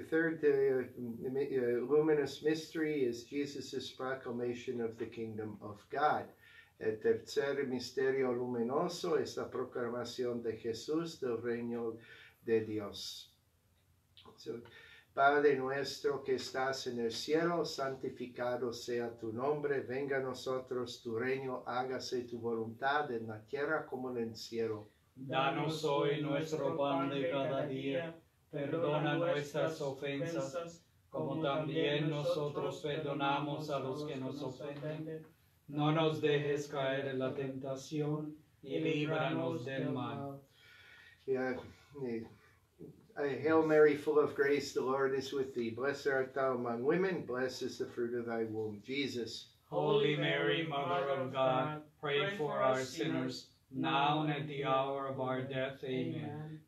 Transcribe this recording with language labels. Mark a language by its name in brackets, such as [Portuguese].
[English] The third luminous mystery is Jesus' proclamation of the kingdom of God. [Spanish] El tercer misterio luminoso es la proclamación de Jesús del reino de Dios. So, Padre nuestro que estás en el cielo, santificado sea tu nombre. Venga a nosotros tu reino, hágase tu voluntad en la tierra como en el cielo. Danos hoy nuestro pan de cada día. Perdona nuestras ofensas, como también nosotros perdonamos a los que nos ofenden. No nos dejes caer en la tentación y líbranos del mal. [English] Hail Mary, full of grace, the Lord is with thee. Blessed art thou among women, blessed is the fruit of thy womb, Jesus. Holy Mary, Mother of God, pray for our sinners. now and at the hour of our death. Amen.